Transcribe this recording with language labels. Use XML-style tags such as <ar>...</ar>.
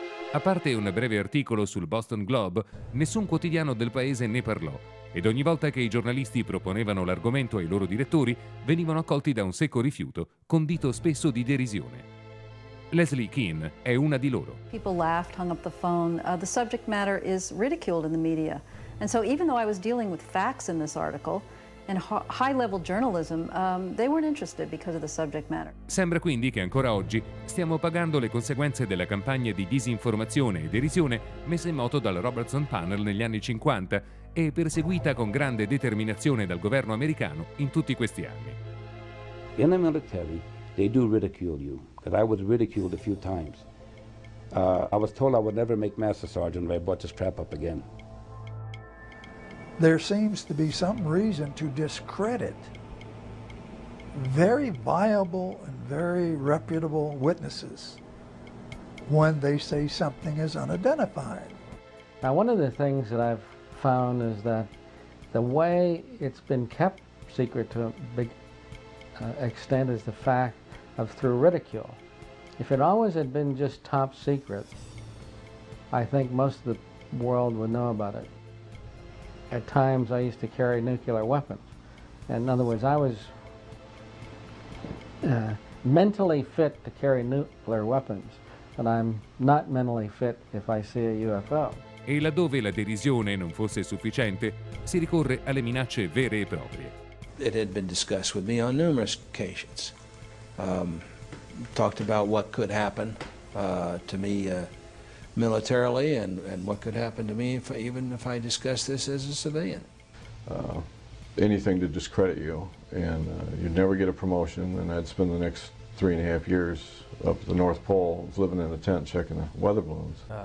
<it>A parte un breve articolo sul Boston Globe, nessun quotidiano del paese ne parlò, ed ogni volta che i giornalisti proponevano l'argomento ai loro direttori, venivano accolti da un secco rifiuto, condito spesso di derisione. Leslie Keen è una di loro.</it> <en>People laughed, hung up the phone. The subject matter is ridiculed in the media. And so even though I was dealing with facts in this article and high-level journalism, they weren't interested because of the subject matter.</en> <it>Sembra quindi che ancora oggi stiamo pagando le conseguenze della campagna di disinformazione e derisione messa in moto dal Robertson Panel negli anni 50 e perseguita con grande determinazione dal governo americano in tutti questi anni.</it> <en>In the military, they do ridicule you, because I was ridiculed a few times. I was told I would never make master sergeant if I brought this crap up again. There seems to be some reason to discredit very viable and very reputable witnesses when they say something is unidentified. Now, one of the things that I've found is that the way it's been kept secret to a big extent is the fact of through ridicule. If it always had been just top secret, I think most of the world would know about it. At times I used to carry nuclear weapons. And in other words, I was mentally fit to carry nuclear weapons, but I'm not mentally fit if I see a UFO.</en> <it>E laddove la derisione non fosse sufficiente, si ricorre alle minacce vere e proprie.</it> <en>It had been discussed with me on numerous occasions. Talked about what could happen to me militarily and what could happen to me if I discussed this as a civilian. Anything to discredit you, and you'd never get a promotion, and I'd spend the next 3.5 years up at the North Pole living in a tent checking the weather balloons.</en>